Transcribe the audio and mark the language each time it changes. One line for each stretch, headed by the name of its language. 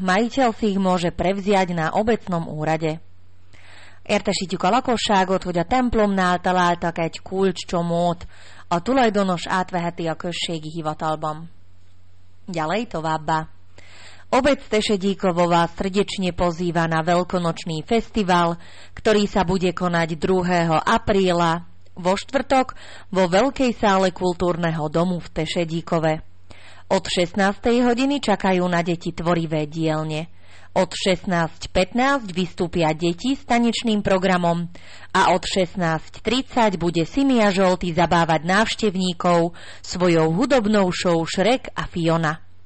Slovak: Majiteľ si ich môže prevziať na obecnom úrade.
Hungarian: Értesítjük a lakosságot, hogy a templomnál találtak egy kulcscsomót. A tulajdonos átveheti a községi hivatalban.
Slovak: Ďalej továbbá. Obec Tešedíkovová srdečne pozýva na veľkonočný festival, ktorý sa bude konať 2. apríla vo štvrtok vo Veľkej sále kultúrneho domu v Tešedíkove. Od 16. hodiny čakajú na deti tvorivé dielne. Od 16.15 vystúpia deti s tanečným programom a od 16.30 bude Simia Žolty zabávať návštevníkov svojou hudobnou show Šrek a Fiona.